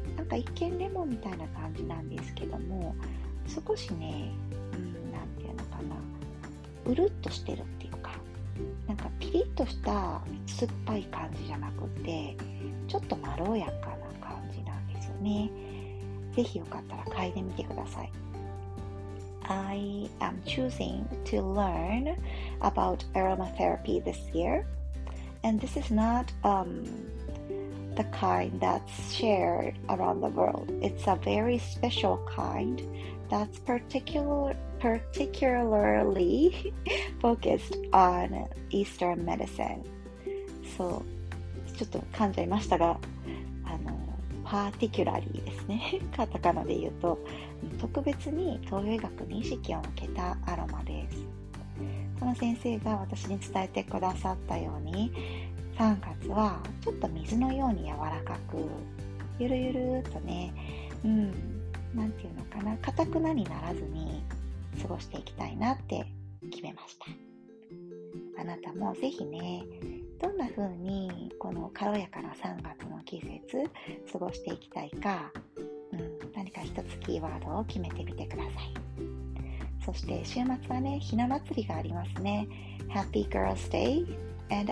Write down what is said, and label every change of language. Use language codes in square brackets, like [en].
[ja] なんか一見レモンみたいな感じなんですけども、少しね、なんていうのかな、うるっとしてるっていうか、なんかピリッとした酸っぱい感じじゃなくて、ちょっとまろやかな感じなんですよね。ぜひよかったら嗅いでみてください。 [en] I am choosing to learn about aromatherapy this year, and this is not the kind that's shared around the world. It's a very special kind that's particularly focused on Eastern medicine. [ja] So, ちょっと噛んじゃいましたが、パーティキュラリーですね。カタカナで言うと、特別に東洋医学に意識を向けたアロマです。この先生が私に伝えてくださったように、3月はちょっと水のように柔らかく、ゆるゆるっとね、なんていうのかな、硬くなにならずに、過ごしていきたいなって決めました。あなたもぜひね、どんな風にこの軽やかな3月の季節過ごしていきたいか、何か一つキーワードを決めてみてください。そして週末はね、ひな祭りがありますね。 [en] Happy Girls Day and I hope you have a wonderful weekend. [ja] 素敵な週末を